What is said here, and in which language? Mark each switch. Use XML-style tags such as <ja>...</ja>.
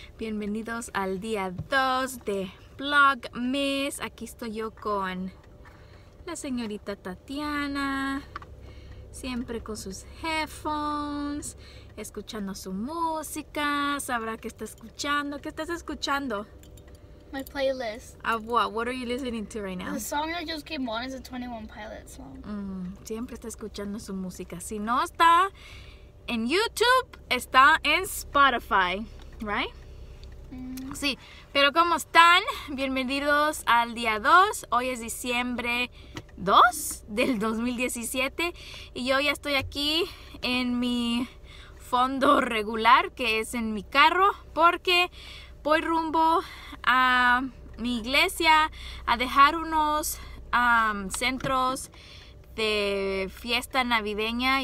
<es>Bienvenidos al día 2 de Vlogmas. Aquí estoy yo con la señorita Tatiana, siempre con sus headphones, escuchando su música. Sabrá qué está escuchando. ¿Qué estás escuchando?</es> <en>My playlist. Of what? What are you listening to right now? The song that just came on is a 21 Pilots song.</en> <es>Siempre está escuchando su música. Si no está en YouTube, está en Spotify, right? Sí, pero ¿cómo están? Bienvenidos al día 2. Hoy es diciembre 2 del 2017 y yo ya estoy aquí en mi fondo regular, que es en mi carro, porque voy rumbo a mi iglesia a dejar unos centros de fiesta navideña.</es>